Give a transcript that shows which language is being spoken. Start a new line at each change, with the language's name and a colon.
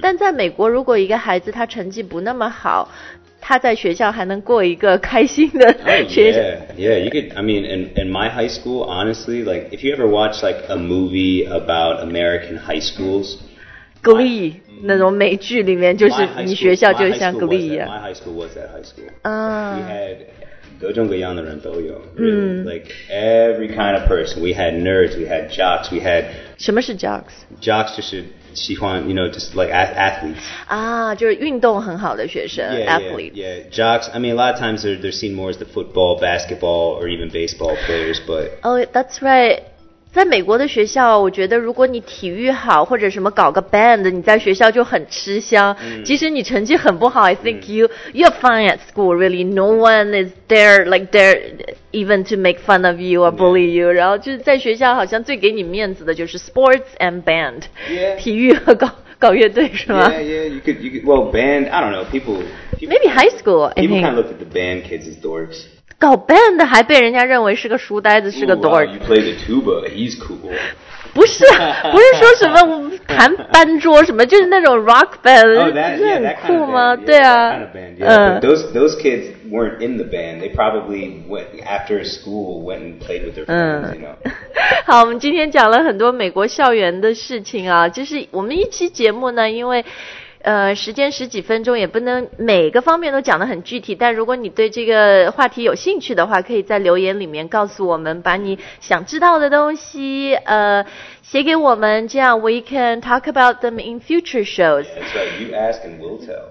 Chinese: 但在美国，如果一个孩子他成绩不那么好，他在学校还能过一个开心的学校。
English: You could. I mean, in my high school, honestly, like if you ever watch like a movie about American high schools,
Chinese: Glee. 那种美剧里面就是你学校就像 Glee 一样
English: my high school was that high school、啊、 we had
Chinese: 各种各样的人都有、
English: really. like every kind of person we had nerds we had jocks we had
Chinese: 什么是 jocks?
English: jocks
Chinese: 就是喜欢
English: you know just like athletes
Chinese: 啊就是运动很好的学生
English: jocks I mean a lot of times they're seen more as the football basketball or even baseball players but oh that's right
Chinese: 在美国的学校我觉得如果你体育好或者什么搞个 band 你在学校就很吃香、 mm. 即使你成绩很不好
English: I think、
Chinese: mm.
English: you're fine at school really no one is there like there even to make fun of you or bully you、 yeah.
Chinese: 然后就是在学校好像最给你面子的就是
English: sports and band、 yeah.
Chinese: 体育和搞乐队是吗
English: you could, well band I don't know people maybe high school people kind of look at the band kids as dorks 搞 band 还被人家认为是个书呆子，是个 dork。 Wow, you play the tuba, he's cool. 不是，不是说什么弹班桌什么，就是那种 rock band，、 oh, that, 是很酷吗？ Yeah, 对啊。 Kind of band, yeah. Those kids weren't in the band. They probably went after school, went and played with their friends, you know.
Chinese: 好，我们今天讲了很多美国校园的事情啊，就是我们一期节目呢，因为。时间十几分钟也不能每个方面都讲得很具体但如果你对这个话题有兴趣的话可以在留言里面告诉我们把你想知道的东西写给我们，这样
English: we can talk about them in future shows. Yeah, that's right. You ask and we'll tell.